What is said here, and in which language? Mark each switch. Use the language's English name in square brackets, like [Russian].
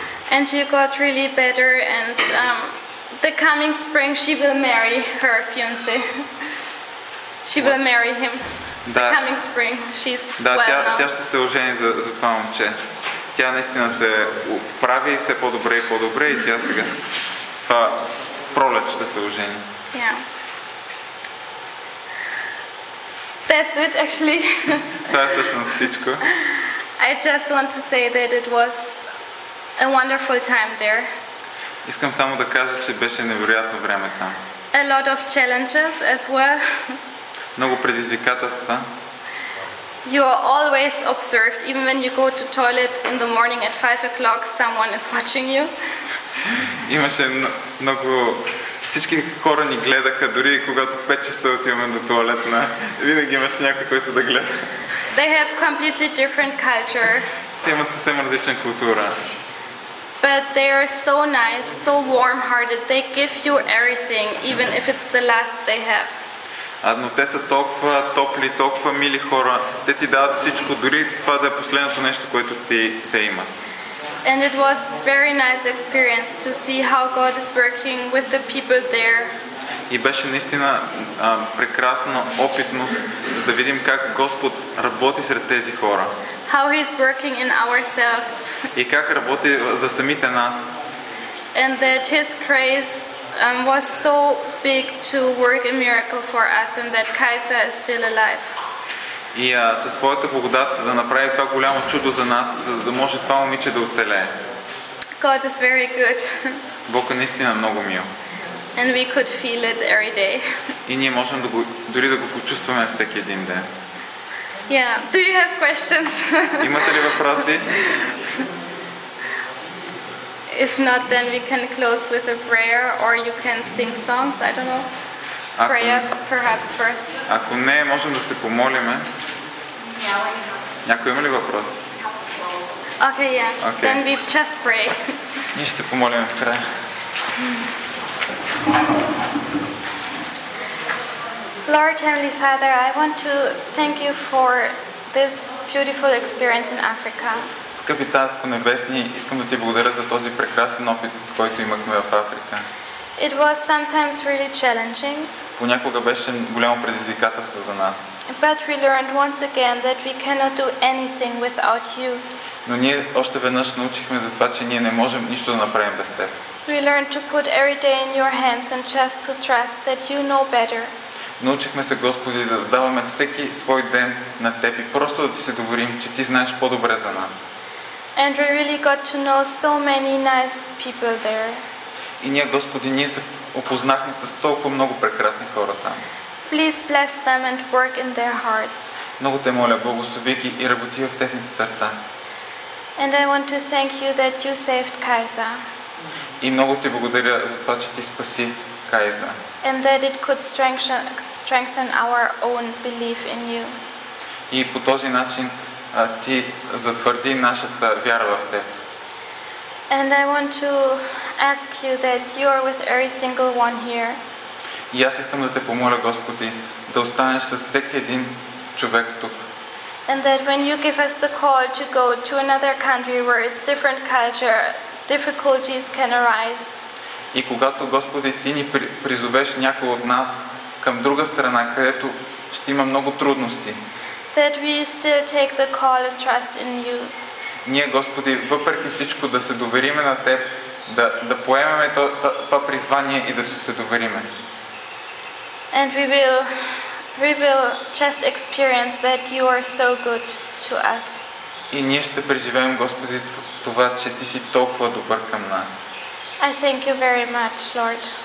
[English] And she got really better and the coming spring she will marry her fiancé. She what? Will marry him. [Bulgarian] Да. [English] The coming spring she's [Bulgarian] да, [English] well [Bulgarian] тя, [English] now. [Bulgarian] Тя ще се ожени за това момче. Тя наистина се прави все по-добре и по-добре и тя сега това пролет ще се ожени. [English] Yeah. That's it actually. [Bulgarian] Това е всъщност всичко. [English] I just want to say that it was a wonderful time there. [Bulgarian] Искам само да кажа, че беше невероятно време там. [English] A lot of challenges as well. [Bulgarian] Много предизвикателства. [English] You are always observed, even when you go to toilet in the morning at 5 o'clock, someone is watching you. [Bulgarian] Имаше много. Всички хора ни гледаха, дори когато в 5 часа отиваме до туалетна. Винаги имаше някой, който да гледа. [English] They have completely different culture. [Bulgarian] Те имат съвсем различна култура. [English] But they are so nice, so warm-hearted. They give you everything, even if it's the last they have. [Bulgarian] Но те са толкова топли, толкова мили хора. Те ти дават всичко, дори това да е последното нещо, което те имат. [English] And it was very nice experience to see how God is working with the people there. [Bulgarian] И беше наистина прекрасна опитност да видим как Господ работи сред тези хора. [English] How he is working in ourselves. [Bulgarian] И как работи за самите нас. [English] And that his grace was so big to work a miracle for us and that Kaiser is still alive. [Bulgarian] и със своята благодат да направи това голямо чудо за нас, за да може това момиче да оцелее. [English] God is very good. [Bulgarian] Бог е наистина много мил. [English] And we could feel it every day. [Bulgarian] И ние можем да го, дори да го почувстваме всеки един ден. [English] Yeah, do you have questions? [Bulgarian] Имате ли въпроси? [English] If not, then we can close with a prayer or you can sing songs, I don't know. Prayer perhaps first. [Bulgarian] Ако не, можем да се помолиме. Някой има ли въпрос? [English] Okay, yeah. Okay. Then we just pray. [Bulgarian] Ние ще се помолиме в края. [English] Lord Heavenly Father, I want to thank you for this beautiful experience in Africa. [Bulgarian] Скъпи Татко Небесни, искам да ти благодаря за този прекрасен опит, който имахме в Африка. [English] It was sometimes really challenging. [Bulgarian] Понякога беше голямо предизвикателство за нас. [English] But we learned once again that we cannot do anything without you. [Bulgarian] Но ние още веднъж научихме за това, че ние не можем нищо да направим без теб. [English] We learned to put every day in your hands and just to trust that you know better. [Bulgarian] Научихме се, Господи, да даваме всеки свой ден на теб и просто да ти се доверим, че ти знаеш по-добре за нас. [English] And we really got to know so many nice people there. [Bulgarian] И ние, Господи, ние се опознахме с толкова много прекрасни хора там. [English] Please bless them and work in their hearts. [Bulgarian] Много те моля, благослови ги и работи в техните сърца. [English] And I want to thank you that you saved Kaisa. [Bulgarian] И много ти благодаря за това, че ти спаси Кайза. [English] And that it could strengthen our own belief in you. [Bulgarian] И по този начин ти затвърди нашата вяра в теб. [English] And I want to ask you that you are with every single one here. [Bulgarian] И аз искам да те помоля, Господи, да останеш с всеки един човек тук. [English] And that when you give us the call to go to another country where it's different culture, difficulties can arise. [Bulgarian] И когато, Господи, ти ни призовеш някой от нас към друга страна, където ще има много трудности. [English] That we still take the call and trust in you. [Bulgarian] Ние, Господи, въпреки всичко да се довериме на теб, да поемеме това призвание и да ти се довериме. [English] And we will just experience that you are so good to us. [Bulgarian] И ние ще преживеем, Господи, това, че ти си толкова добър към нас. [English] I thank you very much, Lord.